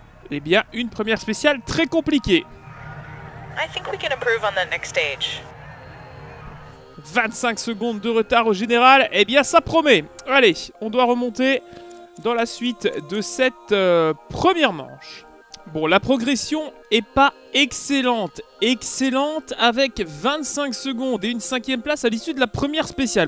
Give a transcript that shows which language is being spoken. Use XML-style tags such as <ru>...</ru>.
<fr>Eh bien, une première spéciale très compliquée.</fr> <en>I think we can improve on that next stage.</en> <fr>25 secondes de retard au général, eh bien ça promet. Allez, on doit remonter dans la suite de cette première manche. Bon, la progression est pas excellente. Excellente avec 25 secondes et une cinquième place à l'issue de la première spéciale.</fr>